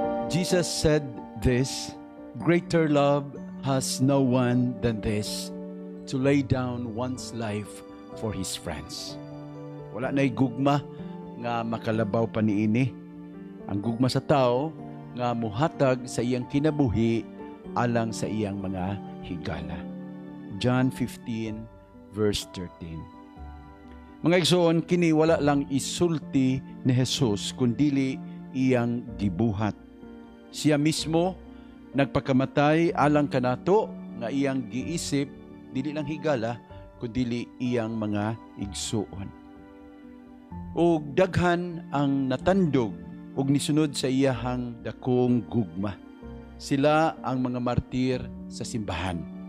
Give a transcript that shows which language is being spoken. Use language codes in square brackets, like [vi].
[en] Jesus said this, greater love has no one than this, to lay down one's life for his friends. [ceb] Wala na gugma nga makalabaw pa ni ini. Ang gugma sa tao nga muhatag sa iyang kinabuhi alang sa iyang mga higala. John 15 verse 13. Mga igsoon, kini wala lang isulti ni Jesus kundili iyang gibuhat. Siya mismo nagpakamatay alang kanato nga iyang giisip dili lang higala kundili iyang mga igsoon. Ug daghan ang natandog ug nisunod sa iyang dakong gugma. Sila ang mga martir sa simbahan.